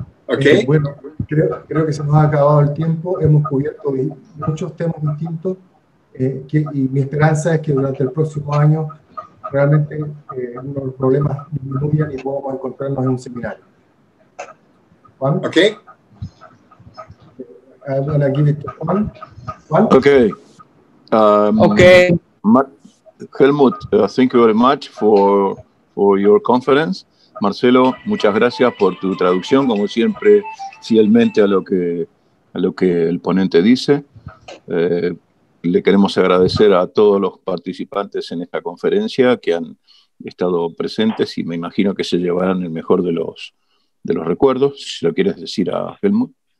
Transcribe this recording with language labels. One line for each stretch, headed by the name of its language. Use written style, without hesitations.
Spanish: Okay. Bueno, creo que se nos ha acabado el tiempo. Hemos cubierto muchos temas distintos. Y mi esperanza es que durante el próximo año realmente uno de los problemas disminuyan y podamos encontrarnos en un seminario. Juan. Okay.
English: I'm gonna give it to Juan. Juan. Okay. Okay. Helmut, thank you very much for your conference.
Spanish: Marcelo, muchas gracias por tu traducción, como siempre, fielmente a lo que el ponente dice. Le queremos agradecer a todos los participantes en esta conferencia que han estado presentes y me imagino que se llevarán el mejor de los recuerdos, si lo quieres decir a Helmut.